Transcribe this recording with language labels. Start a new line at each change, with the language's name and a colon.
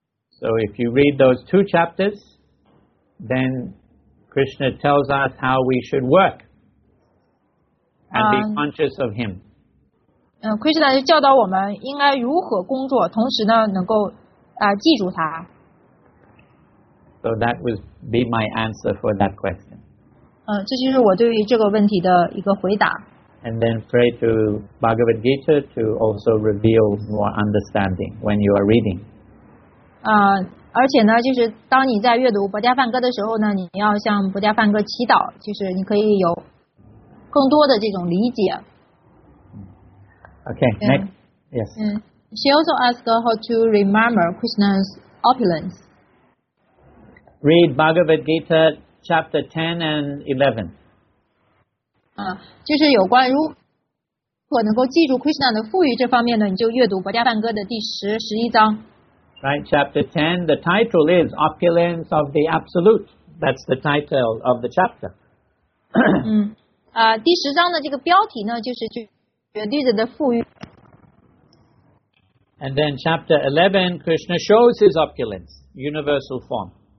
English: So if you read those two chapters, then Krishna tells us how we should work and be conscious of Him.
Chinese: Krishna 教导我们应该如何工作，同时呢能够记住他。
English: So that would be my answer for that question.
Chinese: 这就是我对于这个问题的一个回答。
English: And then pray to Bhagavad Gita to also reveal more understanding when you are reading.
Chinese: 而且呢，就是当你在阅读《薄伽梵歌》的时候呢，你要向薄伽梵歌祈祷，就是你可以有更多的这种理解。
English: Okay, next. Yes. She also asked how to remember Krishna's opulence. Read Bhagavad Gita chapter 10 and 11.
Chinese: 就是有关如果能够记住 Krishna 的富裕这方面呢，你就阅读《薄伽梵歌》的第十、十一章。
English: Right, chapter 10, the title is Opulence of the Absolute. That's the title of the chapter.
Chinese: 第十章的这个标题呢，就是绝对的富裕。
English: And then chapter 11, Krishna shows his opulence, universal form.